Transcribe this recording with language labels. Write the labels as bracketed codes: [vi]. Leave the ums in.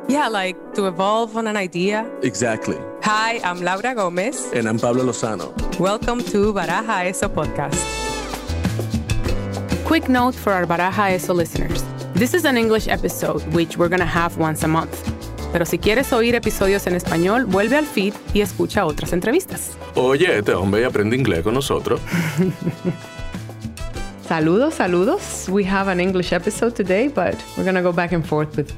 [en] Yeah, like to evolve on an idea. Exactly. Hi, I'm Laura Gomez. And I'm Pablo Lozano. Welcome to Baraja Eso podcast. Quick note for our Baraja Eso listeners this is an English episode, which we're going to have once a month. [es] Pero si quieres oír episodios en español, vuelve al feed y escucha otras entrevistas. Oye, este hombre aprende inglés con nosotros. Saludos, saludos. [en] We have an English episode today, but we're going to go back and forth with.